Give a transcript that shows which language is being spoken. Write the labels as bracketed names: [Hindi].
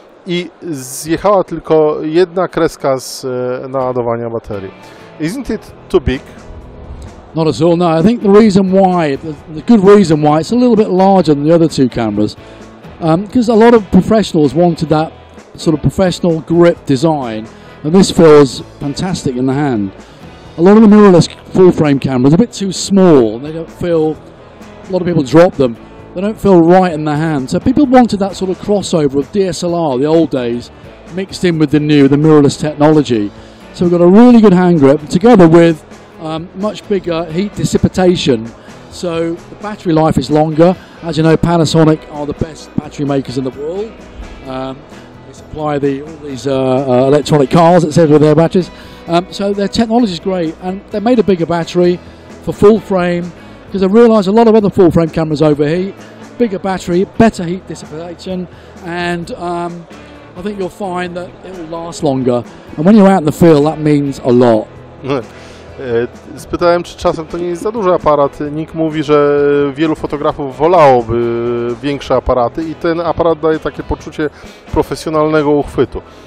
[Polish] i zjechała tylko jedna kreska z naładowania baterii. [English] Isn't it too big? Not at all, no. I think the reason why, the good reason why, it's a little bit larger than the other two cameras, because a lot of professionals wanted that sort of professional grip design, and this feels fantastic in the hand. A lot of the mirrorless full-frame cameras are a bit too small. They don't feel, a lot of people drop them. They don't feel right in the hand. So people wanted that sort of crossover of DSLR, the old days, mixed in with the new, the mirrorless technology. So we've got a really good hand grip, together with much bigger heat dissipation. So the battery life is longer. As you know, Panasonic are the best battery makers in the world. They supply all these electronic cars, etc., with their batteries. So their technology is great, and they made a bigger battery for full frame, because I realize a lot of other full frame cameras overheat. Bigger battery, better heat dissipation, and I think you'll find that it will last longer. And when you're out in the field, that means a lot. [Polish] Spytałem, czy czasem to nie jest za duży aparat. Nick mówi, że wielu fotografów wolałoby większe aparaty i ten aparat daje takie poczucie profesjonalnego uchwytu.